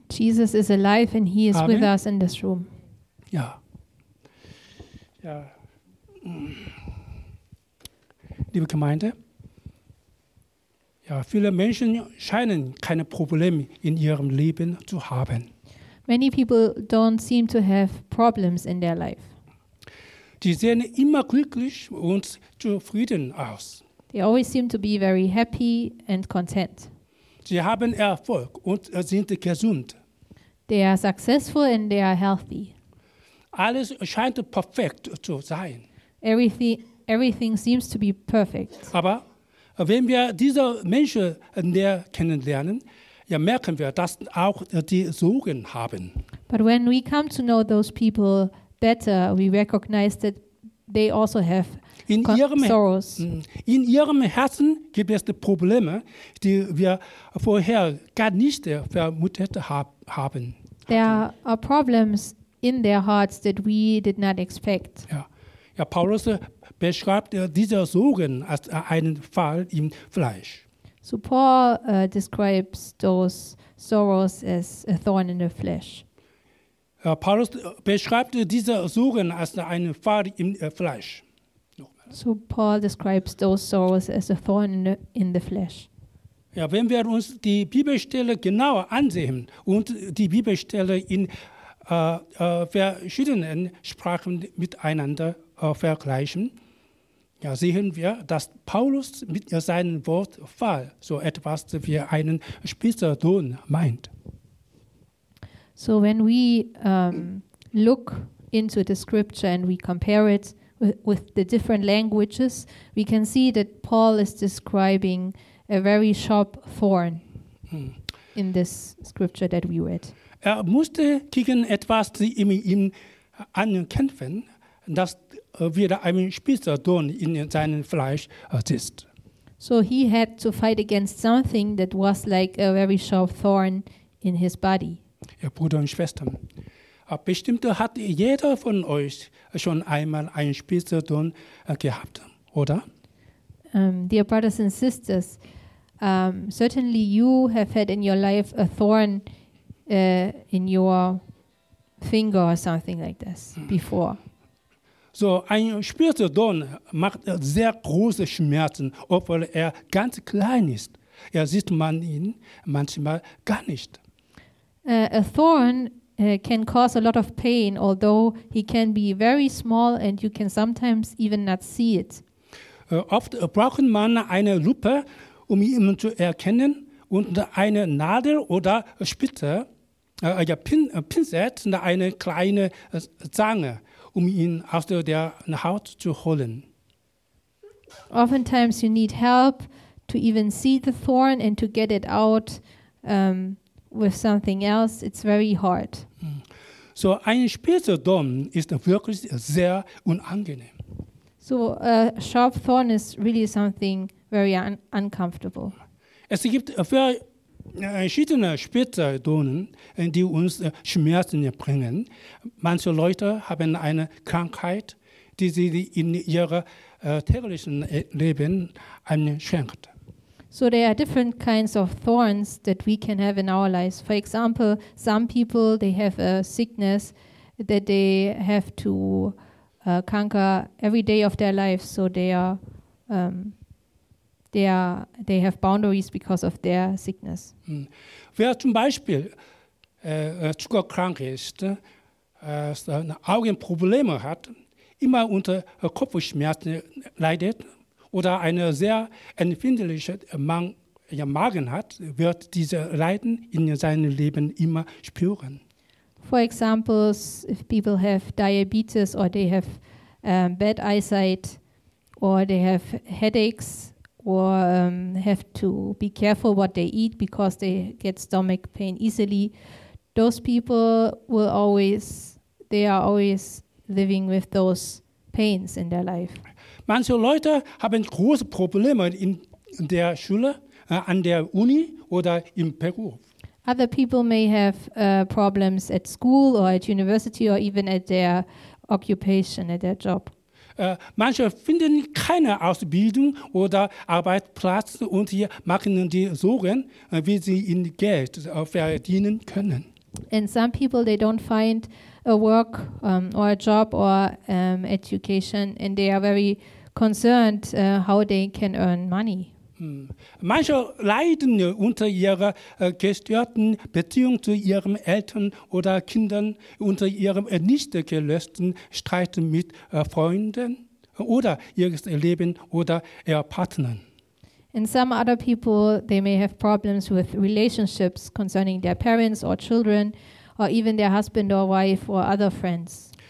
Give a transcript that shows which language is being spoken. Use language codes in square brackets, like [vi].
[en] Jesus is alive and he is Amen. With us in this room. [de] Ja. Ja. Liebe Gemeinde, ja, viele Menschen scheinen keine Probleme in ihrem Leben zu haben. [en] Many people don't seem to have problems in their life. [de] Sie sehen immer glücklich und zufrieden aus. [en] They always seem to be very happy and content. [de] Sie haben Erfolg und sind gesund. [en] They are successful and they are healthy. [de] Alles scheint perfekt zu sein. [en] Everything seems to be perfect. [de] Aber wenn wir diese Menschen näher kennenlernen, ja, merken wir, dass auch die Sorgen haben. [en] But when we come to know those people better, we recognize that they also have sorrows. [de] In ihrem Herzen gibt es Probleme, die wir vorher gar nicht vermutet haben. [en] There are problems in their hearts that we did not expect. [de] Ja, ja, Paulus beschreibt diese Sorgen als einen Fall im Fleisch. [en] So Paul describes those sorrows as a thorn in the flesh. [de] Paulus beschreibt diese Sorgen als eine Falle im Fleisch. [en] So Paul describes those sorrows as a thorn in the flesh. [de] Ja, wenn wir uns die Bibelstelle genauer ansehen und die Bibelstelle in verschiedenen Sprachen miteinander vergleichen, ja, sehen wir, dass Paulus mit seinem Wort Fall so etwas wie einen spitzen Ton meint. [en] So when we look into the scripture and we compare it with the different languages, we can see that Paul is describing a very sharp thorn in this scripture that we read. [de] Er musste gegen etwas ihm ankämpfen, das wieder ein spitzer Dorn in seinem Fleisch ist. [en] So he had to fight against something that was like a very sharp thorn in his body. [de] Ja, Brüder und Schwestern, bestimmt hat jeder von euch schon einmal einen spitzer Dorn gehabt, oder? [en] Dear brothers and sisters, certainly you have had in your life a thorn in your finger or something like this before. [de] So ein spitzer Dorn macht sehr große Schmerzen, obwohl er ganz klein ist. Ja, sieht man ihn manchmal gar nicht. [en] A thorn can cause a lot of pain, although he can be very small and you can sometimes even not see it. [de] Oft braucht man eine Lupe, um ihn zu erkennen, und eine Nadel oder Spitze, Pinsel, eine kleine Zange, um ihn aus der Haut zu holen. [en] Oftentimes you need help to even see the thorn and to get it out with something else. It's very hard. [de] So ein spitzer Dorn ist wirklich sehr unangenehm. [en] So a sharp thorn is really something very uncomfortable. [de] Es gibt verschiedene spitze Dornen, die uns Schmerzen bringen. Manche Leute haben eine Krankheit, die sie in ihrem täglichen Leben einschränkt. [en] So there are different kinds of thorns that we can have in our lives. For example, some people, they have a sickness that they have to conquer every day of their life. So they have boundaries because of their sickness. [de] Wer zum Beispiel zuckerkrank ist, Augenprobleme hat, immer unter Kopfschmerzen leidet oder eine sehr empfindliche Magen hat, wird diese Leiden in seinem Leben immer spüren. [en] For example, if people have diabetes or they have bad eyesight or they have headaches, or have to be careful what they eat because they get stomach pain easily. Those people are always living with those pains in their life. [de] Manche Leute haben große Probleme in der Schule, an der Uni oder im Beruf. [en] Other people may have problems at school or at university or even at their occupation, at their job. [de] Manche finden keine Ausbildung oder Arbeitsplatz und hier machen die Sorgen, wie sie ihr Geld verdienen können. [en] And some people, they don't find a work or a job or education and they are very concerned how they can earn money. [de] Manche leiden unter ihrer gestörten Beziehung zu ihren Eltern oder Kindern, unter ihrem nicht gelösten Streit mit Freunden oder ihres Leben oder ihr Partnern. [en] And some other people, they may have problems with relationships concerning their parents or children or even their husband or wife or other friends.